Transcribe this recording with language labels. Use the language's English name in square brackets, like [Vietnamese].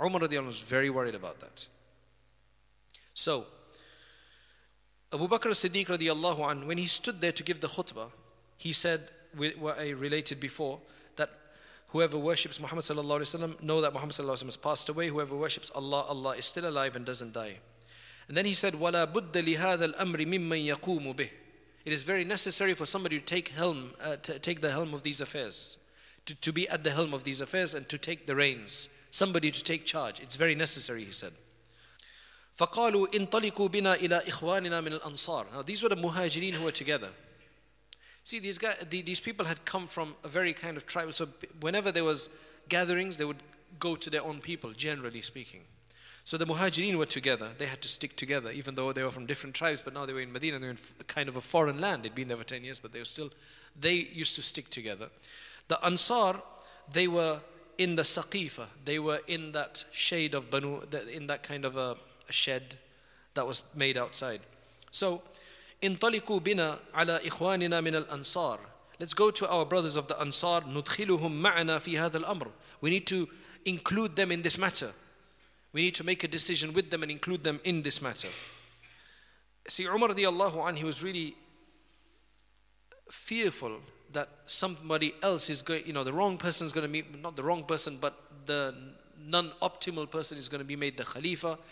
[English] Umar radiallahu anhu was very worried about that. So, Abu Bakr as-Siddiq radiallahu anhu, when he stood there to give the khutbah, he said, what I related before, that whoever worships Muhammad sallallahu alayhi wa sallam, know that Muhammad sallallahu alayhi wa sallam has passed away. Whoever worships Allah, Allah is still alive and doesn't die. And then he said, [Arabic] وَلَا بُدَّ لِهَذَا الْأَمْرِ مِمَّنْ يَقُومُ بِهِ. [English] It is very necessary for somebody to take the helm of these affairs, to be at the helm of these affairs and to take the reins. Somebody to take charge. It's very necessary, he said. [Arabic] فَقَالُوا إِنْطَلِقُوا بِنَا إِلَىٰ إِخْوَانِنَا مِنَ الْأَنصَارِ. [English] Now these were the muhajireen who were together. See, these people had come from a very kind of tribal. So whenever there was gatherings, they would go to their own people, generally speaking. So the muhajireen were together. They had to stick together, even though they were from different tribes, but now they were in Medina, they were in kind of a foreign land. They'd been there for 10 years, but they used to stick together. The Ansar, they were in the Saqifah. They were in that shade of Banu, in that kind of a shed that was made outside. [Arabic] So, انطلقوا بنا على إخواننا من الأنصار. [English] Let's go to our brothers of the Ansar. [Arabic] ندخلهم معنا في هذا الأمر. [English] We need to include them in this matter. We need to make a decision with them and include them in this matter. See, Umar radiallahu anhu, he was really fearful that somebody else is going, you know, the wrong person is going to meet, not the wrong person, but the non-optimal person is going to be made the Khalifa.